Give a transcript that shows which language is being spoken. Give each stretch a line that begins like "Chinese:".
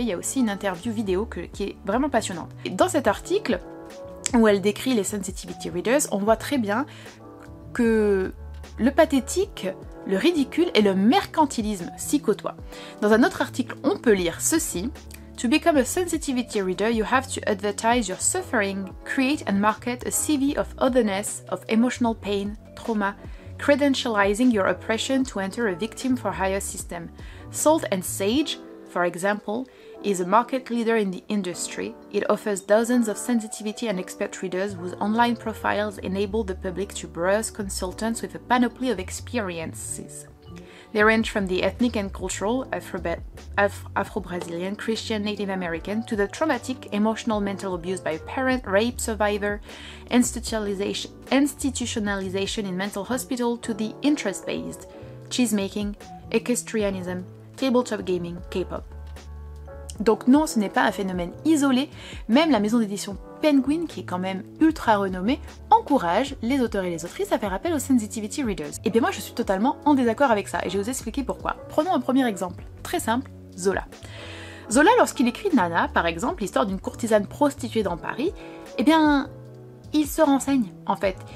French: Il y a aussi une interview vidéo qui est vraiment passionnante. Et dans cet article, où elle décrit les sensitivity readers, on voit très bien que le pathétique, le ridicule et le mercantilisme s'y côtoient. Dans un autre article, on peut lire ceci.
English: To become a sensitivity reader, you have to advertise your suffering, create and market a CV of otherness, of emotional pain, trauma, credentializing your oppression to enter a victim for hire system. Salt and Sage, for example, is a market leader in the industry. It offers dozens of sensitivity and expert readers whose online profiles enable the public to browse consultants with a panoply of experiences. They range from the ethnic and cultural, Afro-Brazilian, Christian, Native American, to the traumatic emotional mental abuse by a parent, rape survivor, institutionalization in mental hospital, to the interest-based, cheese-making, equestrianism, tabletop gaming, K-pop.
French: Donc non, ce n'est pas un phénomène isolé, même la maison d'édition Penguin, qui est quand même ultra renommée, encourage les auteurs et les autrices à faire appel aux sensitivity readers. Et bien moi je suis totalement en désaccord avec ça, et je vais vous expliquer pourquoi. Prenons un premier exemple, très simple, Zola. Zola, lorsqu'il écrit Nana, par exemple, l'histoire d'une courtisane prostituée dans Paris, eh bien, il se renseigne, en fait.